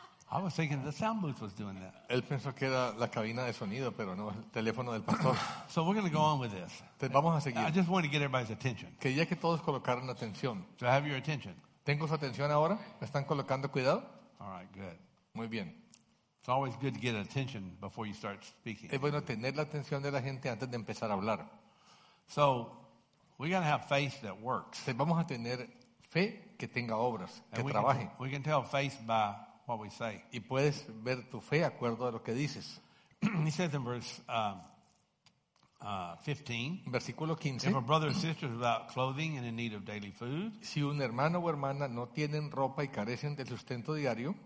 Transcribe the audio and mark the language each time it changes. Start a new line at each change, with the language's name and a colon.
English: I was thinking the sound booth was doing that.
Spanish: Él pensó que era la cabina de sonido, pero no, el teléfono del pastor.
English: So we're going to go on with this.
Spanish: Vamos a seguir.
English: I just wanted to get everybody's attention.
Spanish: Quería que todos colocaran atención.
English: Do I have your attention?
Spanish: ¿Tengo su atención ahora? ¿Me están colocando cuidado?
English: All right, good.
Spanish: Muy bien.
English: It's always good to get attention before you start speaking.
Spanish: Es bueno tener la atención de la gente antes de empezar a hablar.
English: So we're going to have faith that works.
Spanish: Vamos a tener fe que tenga obras, que
English: we
Spanish: trabaje.
English: Can, we can tell faith by what we say.
Spanish: Y puedes ver tu fe acuerdo a lo que dices.
English: He says in verse 15,
Spanish: versículo 15,
English: if a brother or sister is without clothing and in need of daily food,
Spanish: si un hermano o hermana no tienen ropa y carecen del sustento diario,